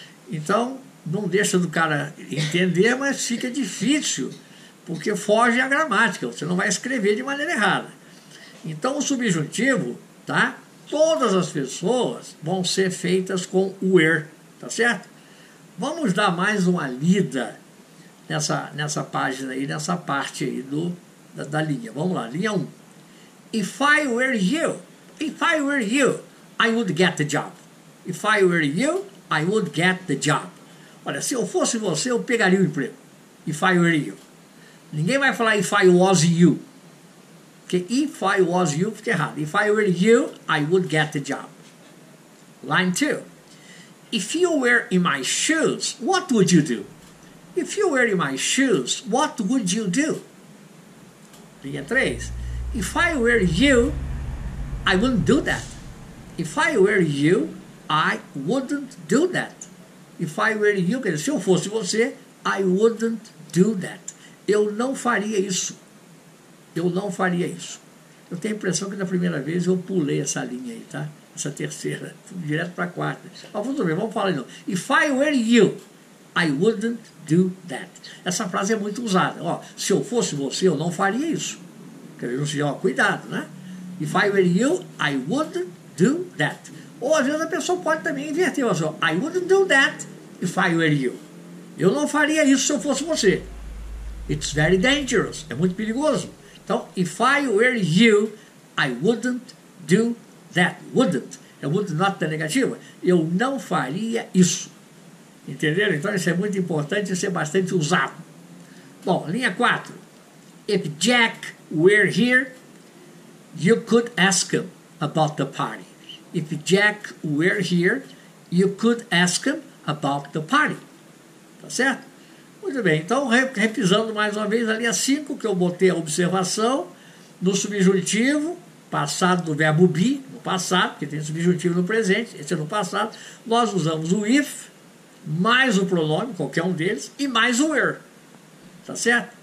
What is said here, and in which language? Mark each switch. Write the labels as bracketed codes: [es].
[pt] Então, não deixa do cara entender, mas fica difícil, porque foge a gramática, você não vai escrever de maneira errada. Então o subjuntivo, tá? Todas as pessoas vão ser feitas com o were, tá certo? Vamos dar mais uma lida nessa página aí, nessa parte aí da linha. Vamos lá, linha 1. [en] If I were you, I would get the job. If I were you, I would get the job. [pt] Olha, se eu fosse você, eu pegaria o emprego. [en] If I were you. [pt] Ninguém vai falar [en] if I was you. [pt] Porque [en] if I was you, [pt] fica errado. [en] If I were you, I would get the job. Line 2. If you were in my shoes, what would you do? If you were in my shoes, what would you do? [pt] Linha 3. [en] If I were you, I wouldn't do that. If I were you, I wouldn't do that. If I were you, [pt] quer dizer, se eu fosse você, [en] I wouldn't do that. [pt] Eu não faria isso. Eu não faria isso. Eu tenho a impressão que na primeira vez eu pulei essa linha aí, tá? Essa terceira. Fui direto para a quarta. Mas tudo bem, vamos falar de novo. [en] If I were you, I wouldn't do that. [pt] Essa frase é muito usada. Ó, se eu fosse você, eu não faria isso. Quer dizer, não seja, ó, cuidado, né? [en] If I were you, I wouldn't do that. [pt] Ou às vezes a pessoa pode também inverter. Ó, [en] I wouldn't do that if I were you. [pt] Eu não faria isso se eu fosse você. [en] It's very dangerous. [pt] É muito perigoso. [en] Então, if I were you, I wouldn't do that. [pt] Wouldn't. É would not da negativa. Eu não faria isso. Entenderam? Então, isso é muito importante e ser bastante usado. Bom, linha 4. [en] If Jack were here, you could ask him about the party. If Jack were here, you could ask him about the party. [pt] Tá certo? Muito bem. Então, repisando mais uma vez a linha 5, que eu botei a observação no subjuntivo, passado do verbo be, no passado, porque tem subjuntivo no presente, esse é no passado. Nós usamos o if, mais o pronome, qualquer um deles, e mais o were. Tá certo?